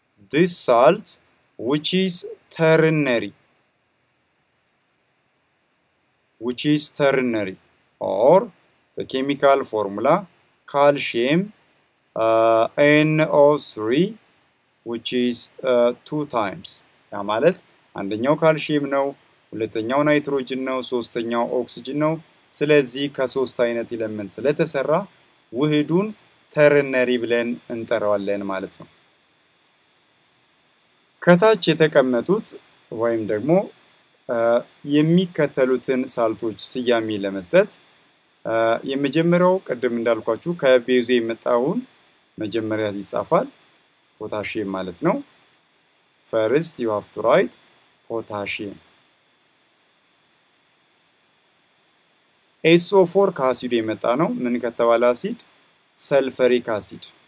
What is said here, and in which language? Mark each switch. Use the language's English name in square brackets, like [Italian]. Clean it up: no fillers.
[English] This salt, which is ternary. Which is ternary. Or the chemical formula, calcium NO3, which is two times. [Amharic] ያ ማለት አንደኛው ካልሺየም ነው ሁለተኛው ናይትሮጅን ነው ሶስተኛው ኦክሲጅን ነው ስለዚህ ከሶስት አይነት ኤሌመንት ስለተሰራ ውህዱን ተርነሪ ብለን እንጠራዋለን ማለት ነው። ከታች የተቀመጡት ወይም ደግሞ የሚከተሉትን ሳልቶች ሲያሚ ለመስጠት የመጀመሪያው ቀደም እንዳልኳችሁ ከቤዙ የመጣውን መጀመሪያ ይጻፋል potassium ማለት ነው። [English] First you have to write potassium. [Amharic] SO4 acid የመጣ ነው ምን ከተባለ acid sulfuric acid.